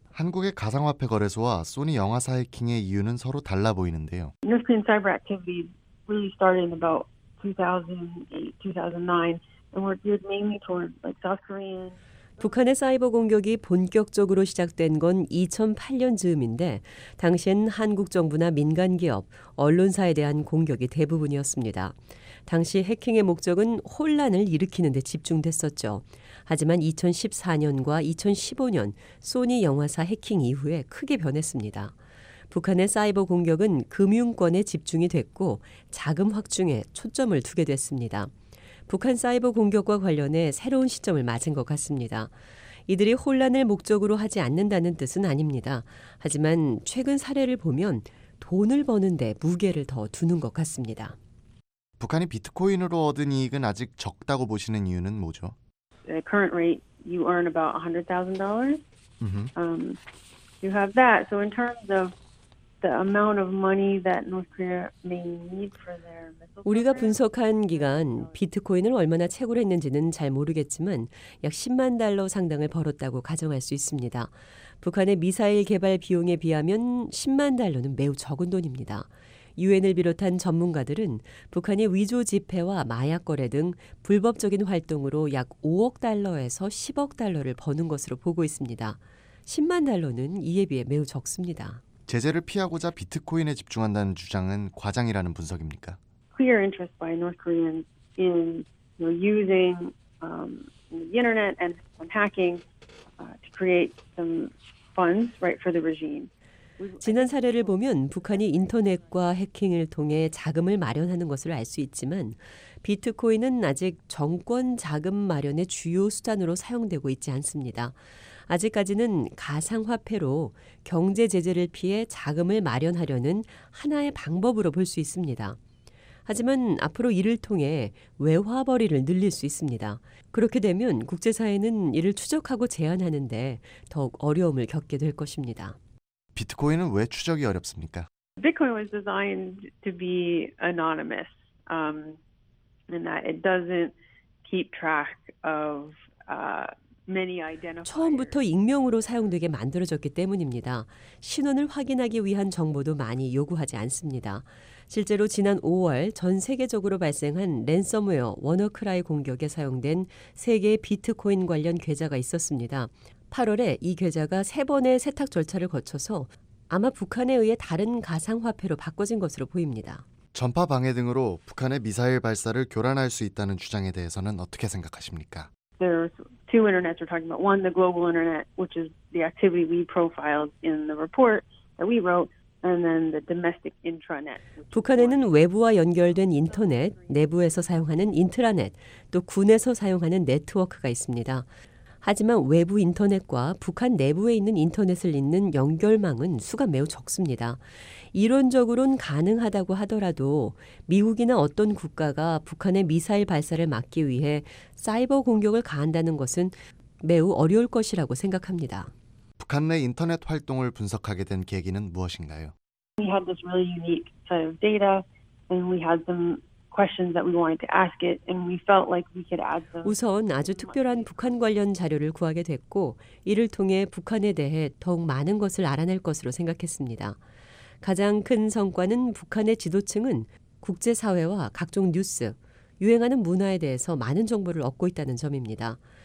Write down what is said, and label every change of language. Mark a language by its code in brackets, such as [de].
[ko] 한국의 가상화폐 거래소와 소니 영화사 해킹의 이유는 서로 달라 보이는데요. [en] North Korean cyber activities really started in about 2008, 2009, and were geared mainly toward like South Korean. [ko] 북한의 사이버 공격이 본격적으로 시작된 건 2008년 즈음인데 당시엔 한국 정부나 민간기업, 언론사에 대한 공격이 대부분이었습니다. 당시 해킹의 목적은 혼란을 일으키는 데 집중됐었죠. 하지만 2014년과 2015년 소니 영화사 해킹 이후에 크게 변했습니다. 북한의 사이버 공격은 금융권에 집중이 됐고 자금 확충에 초점을 두게 됐습니다. 북한 사이버 공격과 관련해 새로운 시점을 맞은 것 같습니다. 이들이 혼란을 목적으로 하지 않는다는 뜻은 아닙니다. 하지만 최근 사례를 보면 돈을 버는 데 무게를 더 두는 것 같습니다. 북한이 비트코인으로 얻은 이익은 아직 적다고 보시는 이유는 뭐죠? [en] The current rate, you earn about $100,000. You have that. So in terms of the amount of money that North Korea may need for their [ko] 우리가 분석한 기간 비트코인을 얼마나 채굴했는지는 잘 모르겠지만 약 10만 달러 상당을 벌었다고 가정할 수 있습니다. 북한의 미사일 개발 비용에 비하면 10만 달러는 매우 적은 돈입니다. 유엔을 비롯한 전문가들은 북한이 위조 지폐와 마약 거래 등 불법적인 활동으로 약 5억 달러에서 10억 달러를 버는 것으로 보고 있습니다. 10만 달러는 이에 비해 매우 적습니다. 제재를 피하고자 비트코인에 집중한다는 주장은 과장이라는 분석입니까? [en] Clear interest by North Koreans in using the internet and hacking to create some funds right for the regime. [ko] 지난 사례를 보면 북한이 인터넷과 해킹을 통해 자금을 마련하는 것을 알 수 있지만 비트코인은 아직 정권 자금 마련의 주요 수단으로 사용되고 있지 않습니다. 아직까지는 가상화폐로 경제 제재를 피해 자금을 마련하려는 하나의 방법으로 볼 수 있습니다. 하지만 앞으로 이를 통해 외화 벌이를 늘릴 수 있습니다. 그렇게 되면 국제사회는 이를 추적하고 제한하는데 더욱 어려움을 겪게 될 것입니다. 비트코인은 왜 추적이 어렵습니까? [en] Bitcoin was designed to be anonymous, and that it doesn't keep track of many identifiers. [ko] 처음부터 익명으로 사용되게 만들어졌기 때문입니다. 신원을 확인하기 위한 정보도 많이 요구하지 않습니다. 실제로 지난 5월 전 세계적으로 발생한 랜섬웨어 워너크라이 공격에 사용된 3개의 비트코인 관련 계좌가 있었습니다. 8월에 이 계좌가 세 번의 세탁 절차를 거쳐서 아마 북한에 의해 다른 가상화폐로 바꿔진 것으로 보입니다. 전파 방해 등으로 북한의 미사일 발사를 교란할 수 있다는 주장에 대해서는 어떻게 생각하십니까? [en] There are two internets we're talking about. One, the global internet, which is the activity we profiled in the report that we wrote. And then the domestic intranet. [ko] 북한에는 외부와 연결된 인터넷, 내부에서 사용하는 인트라넷, 또 군에서 사용하는 네트워크가 있습니다. 하지만 외부 인터넷과 북한 내부에 있는 인터넷을 잇는 연결망은 수가 매우 적습니다. 이론적으로는 가능하다고 하더라도 미국이나 어떤 국가가 북한의 미사일 발사를 막기 위해 사이버 공격을 가한다는 것은 매우 어려울 것이라고 생각합니다. 북한 내 인터넷 활동을 분석하게 된 계기는 무엇인가요? [en] We had this really unique set of data and we had some questions that we wanted to ask it and we felt like we could add them. [ko] 우선 아주 특별한 북한 관련 자료를 구하게 됐고 이를 통해 북한에 대해 더욱 많은 것을 알아낼 것으로 생각했습니다. 가장 큰 성과는 북한의 지도층은 국제 사회와 각종 뉴스, 유행하는 문화에 대해서 많은 정보를 얻고 있다는 점입니다.